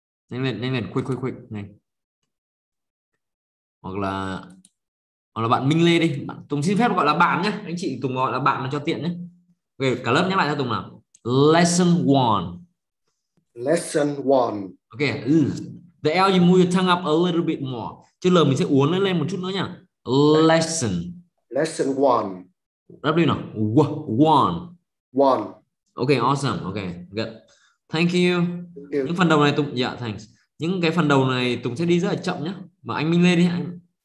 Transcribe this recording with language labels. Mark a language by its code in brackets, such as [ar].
[vi] Nhanh lên, quick. Này. Hoặc là bạn Minh Lê đi, Tùng xin phép gọi là bạn nhé, anh chị Tùng gọi là bạn cho tiện nhé. Okay, cả lớp nhắc lại cho Tùng nào. [en] Lesson 1. Lesson 1. Okay. The L you move your tongue up a little bit more. [vi] Chứ L mình sẽ uốn nó lên một chút nữa nha. [en] Lesson. Lesson 1. W nào. 1. 1. Okay, awesome. Okay, good. Thank you. [vi] Những phần đầu này Tùng, yeah, thanks. Những cái phần đầu này Tùng sẽ đi rất là chậm nhé. Và anh Minh Lê đi, anh.